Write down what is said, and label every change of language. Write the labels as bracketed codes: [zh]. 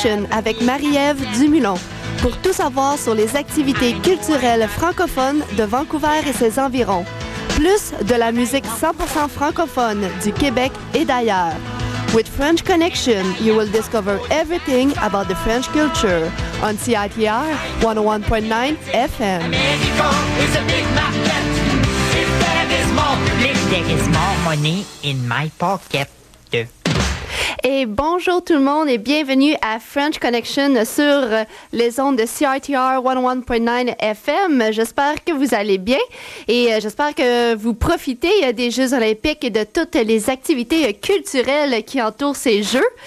[fr] Avec Marie-Ève Dumoulin pour tout savoir sur les activités culturelles francophones de Vancouver et ses environs, plus de la musique 100% francophone du Québec et d'ailleurs. [en] With French Connection, you will discover everything about the French culture on CITR 101.9 FM. [fr] Et bonjour tout le monde et bienvenue à French Connection sur les ondes de CITR 101.9 FM. J'espère que vous allez bien et j'espère que vous profitez des Jeux olympiques et de toutes les activités culturelles qui entourent ces Jeux.